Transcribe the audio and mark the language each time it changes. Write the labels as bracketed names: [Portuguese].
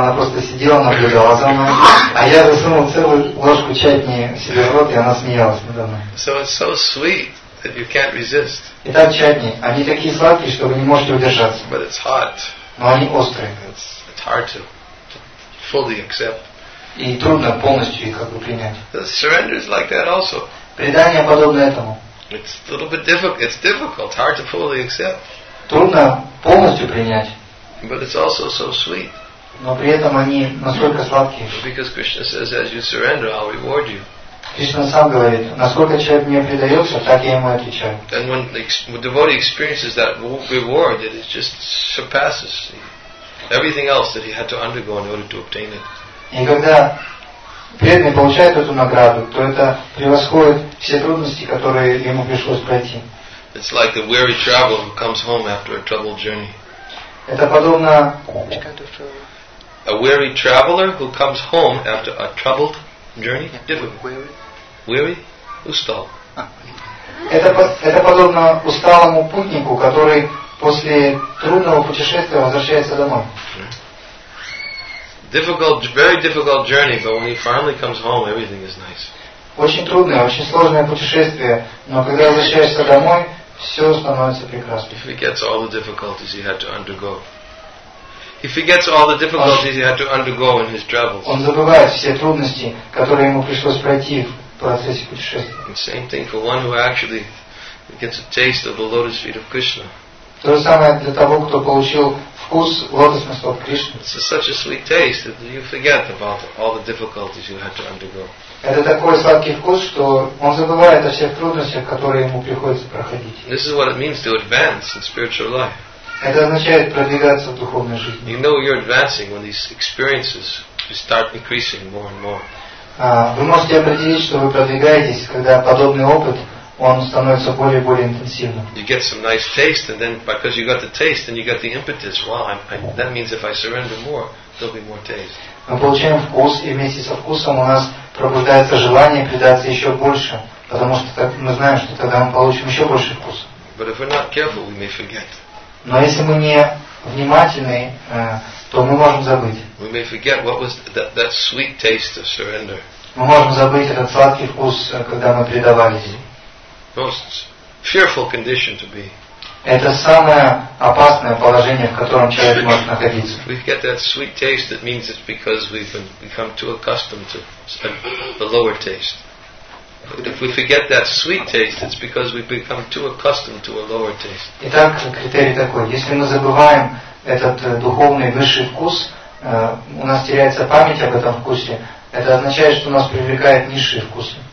[Russian] Она просто сидела, наблюдала за мной. А я засунул целую ложку чатни себе в рот, и она смеялась надо мной. [English] So it's so sweet that you can't resist. [Russian] Итак, чатни. Они такие сладкие, что вы не можете удержаться. [English] But it's hot. [Russian] Но они острые. [English] It's hard to fully accept. [Russian] И трудно полностью их как бы принять. [English] The surrender is like that also. [Russian] Предание подобно этому. [English] It's a little bit difficult. It's difficult. Hard to fully accept. [Russian] Трудно полностью принять. [English] But it's also so sweet. [Russian] Но при этом они настолько сладкие. [English] Because Krishna says, as you surrender, I'll reward you. [Russian] Кришна сам говорит, насколько человек мне предается, так я ему отвечаю. [English] And when the devotee experiences that reward, it just surpasses everything else that he had to undergo in order to obtain it. [Russian] И когда преданный получает эту награду, то это превосходит все трудности, которые ему пришлось пройти. [English] It's like the weary traveler who comes home after a troubled journey. [Russian] Это подобно [English] a weary traveler who comes home after a troubled journey. [Russian] Weary? Устал. Это подобно усталому путнику, который после трудного путешествия возвращается домой. [English] Difficult, very difficult journey, but when he finally comes home, everything is nice. [Russian] Очень трудное, очень сложное путешествие, но когда возвращаешься домой, все становится прекрасно. [English] He forgets all the difficulties he had to undergo. He forgets all the difficulties he had to undergo in his travels. [Russian] Он забывает все трудности, которые ему пришлось пройти в процессе путешествия. [English] The same thing for one who actually gets a taste of the lotus feet of Krishna. [Russian] То же самое для того, кто получил вкус лотосных стоп Кришны. [English] It's such a sweet taste that you forget about all the difficulties you had to undergo. [Russian] Это такой сладкий вкус, что он забывает о всех трудностях, которые ему приходится проходить. [English] This is what it means to advance in spiritual life. [Russian] Это означает продвигаться в духовной жизни. [English] You know you're advancing when these experiences start increasing more and more. [Russian] Вы можете определить, что вы продвигаетесь, когда подобный опыт он становится более и более интенсивным. [English] You get some nice taste, and then because you got the taste, then you got the impetus. Wow, that means if I surrender more, there'll be more taste. [Russian] Мы получаем вкус, и вместе со вкусом у нас пробуждается желание предаться еще больше, потому что так, мы знаем, что тогда мы получим еще больше вкуса. [English] But if we're not careful, we may forget. [Russian] Но если мы не внимательны, то мы можем забыть. [English] We may forget what was that sweet taste of surrender. [Russian] Мы можем забыть этот сладкий вкус, когда мы предавались. [English] Most fearful condition to be. [Russian] Это самое опасное положение, в котором человек может находиться. [English] We get that sweet taste. That means it's because we've become too accustomed to the lower taste. If we forget that sweet taste, it's because we've become too accustomed to a lower taste. [Russian] Итак, критерий такой: если мы забываем этот духовный высший вкус, у нас теряется память об этом вкусе. Это означает, что нас привлекает низшие вкусы.